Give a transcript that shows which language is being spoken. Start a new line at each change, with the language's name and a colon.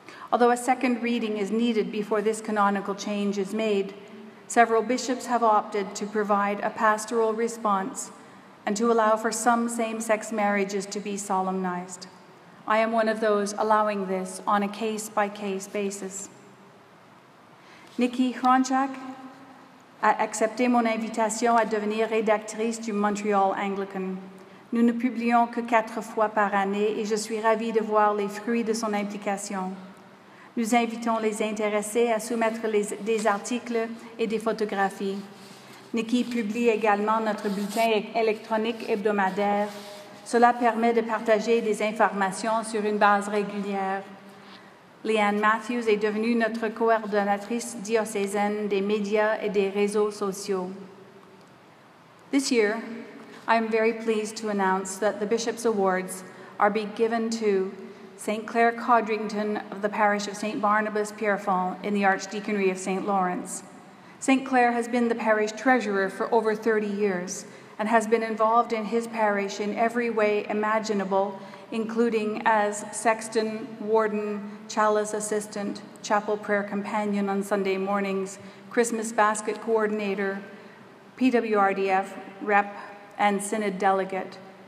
English: Although a second reading is needed before this canonical change is made, several bishops have opted to provide a pastoral response and to allow for some same-sex marriages to be solemnized. I am one of those allowing this on a case-by-case basis.
French: Nikki Hronchak a accepté mon invitation à devenir rédactrice du Montréal Anglican. Nous ne publions que quatre fois par année et je suis ravie de voir les fruits de son implication. Nous invitons les intéressés à soumettre des articles et des photographies. Nikki publie également notre bulletin électronique hebdomadaire. Cela permet de partager des informations sur une base régulière. Leanne Matthews est devenue notre coordonnatrice diocésaine des médias et des réseaux sociaux.
English: This year, I am very pleased to announce that the Bishop's Awards are being given to St. Clair Codrington of the parish of St. Barnabas Pierrefonds in the Archdeaconry of St. Lawrence. St. Clair has been the parish treasurer for over 30 years and has been involved in his parish in every way imaginable, including as sexton, warden, chalice assistant, chapel prayer companion on Sunday mornings, Christmas basket coordinator, PWRDF rep, and synod delegate.